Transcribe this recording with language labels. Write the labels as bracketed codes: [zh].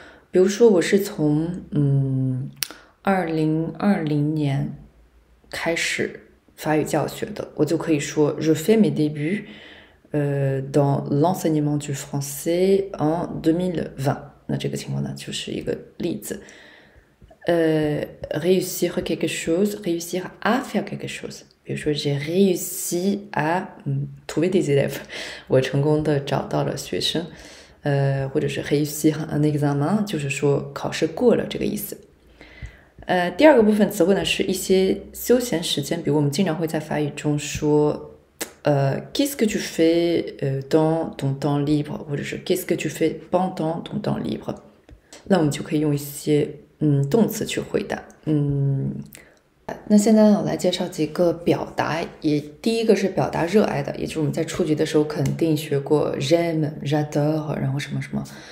[zh] 比如说，我是从2020年开始法语教学的，我就可以说 [fr] je fais mes débuts dans l'enseignement du français en 2020。 [zh] 那这个情况呢，就是一个例子。 [fr] réussir quelque chose, réussir à faire quelque chose。 [zh] 比如说， [fr] j'ai réussi à trouver des élèves， [zh] 我成功的找到了学生。或者是 [fr] réussir un examen， [zh] 就是说考试过了这个意思。第二个部分词汇呢，是一些休闲时间，比如我们经常会在法语中说。 [fr] Qu'est-ce que tu fais dans ton temps libre? Ou je qu'est-ce que tu fais pendant ton temps libre? Là, on peut utiliser ici donc si tu maintenant, on va présenter quelques expressions. Et la première, c'est exprimer son amour. Et c'est ce que nous avons appris au début, certainement, j'aime, j'adore, et puis quoi.